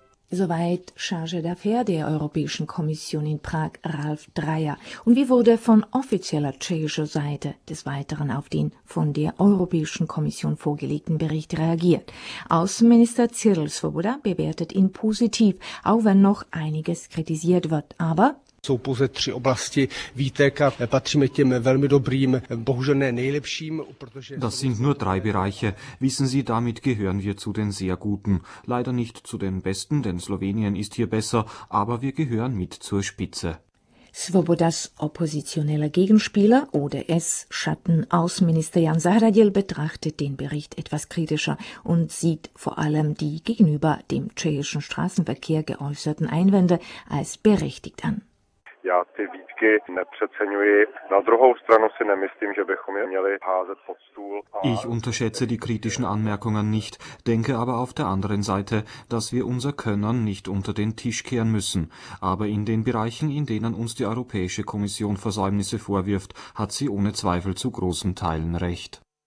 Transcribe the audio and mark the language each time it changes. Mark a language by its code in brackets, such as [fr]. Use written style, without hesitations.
[de] Soweit Chargé d'Affaires der Europäischen Kommission in Prag, Ralf Dreyer. Und wie wurde von offizieller tschechischer Seite des Weiteren auf den von der Europäischen Kommission vorgelegten Bericht reagiert? Außenminister Cyril Svoboda bewertet ihn positiv, auch wenn noch einiges kritisiert wird. Aber [cs] jsou pouze tři oblasti výtek a patříme těm velmi dobrým, bohužel ne nejlepším, protože [de] das sind nur drei Bereiche. Wissen Sie, damit gehören wir zu den sehr guten. Leider nicht zu den besten, denn Slowenien ist hier besser, aber wir gehören mit zur Spitze. Svobodas oppositioneller Gegenspieler, ODS-Schatten-Außenminister Jan Zahradil, betrachtet den Bericht etwas kritischer und sieht vor allem die gegenüber dem tschechischen Straßenverkehr geäußerten Einwände als berechtigt an. [cs] Já ty výtky nepřeceňuji. Na druhou stranu si nemyslím, že bychom je měli házet pod stůl. [de] Ich unterschätze die kritischen Anmerkungen nicht, denke aber auf der anderen Seite, dass wir unser Können nicht unter den Tisch kehren müssen. Aber in den Bereichen, in denen uns die Europäische Kommission Versäumnisse vorwirft, hat sie ohne Zweifel zu großen Teilen recht.